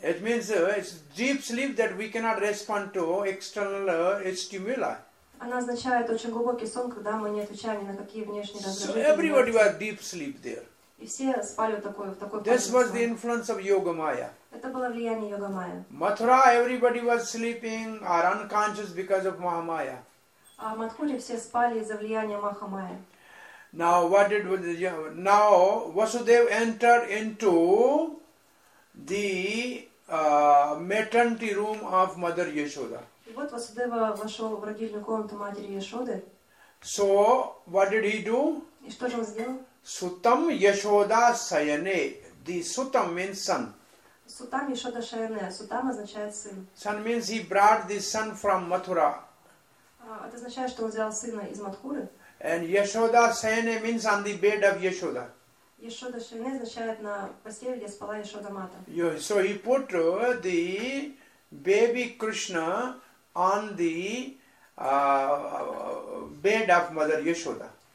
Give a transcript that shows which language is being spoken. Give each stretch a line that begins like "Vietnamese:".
English: It means it's deep sleep that we cannot respond to external stimuli.
Russian: Она означает очень глубокий сон, когда мы не отвечаем ни на какие внешние раздражители.
English: So everybody was deep sleep there.
Russian: И все спали в такой.
English: This was the influence of Yoga Maya.
Russian: Это было влияние Йога Майя.
English: Mathura, everybody was sleeping or unconscious because of Mahamaya.
Russian: А в Матхуре все спали из-за влияния Махамаи.
English: Now what did now Vasudev entered into the maternity room of Mother Yashoda.
Russian: И вот Васудева вошел в родильную комнату матери Яшоды.
English: So what did he do?
Russian: И что же он сделал?
Sanskrit: Sutam Yashoda Sayane.
English: The Sutam means son.
Sanskrit: Sutam Yashoda Sayane.
Russian: Sutam означает сын.
English: Son means he brought the son from Mathura.
Russian: Это означает, что он взял сына из Матхуры.
English: And Yashoda Sayane means on the bed of Yashoda.
Russian: Yashoda Sayane означает на постели, где спала Yashoda Mata.
English: So he put the baby Krishna on the bed of Mother Yashoda.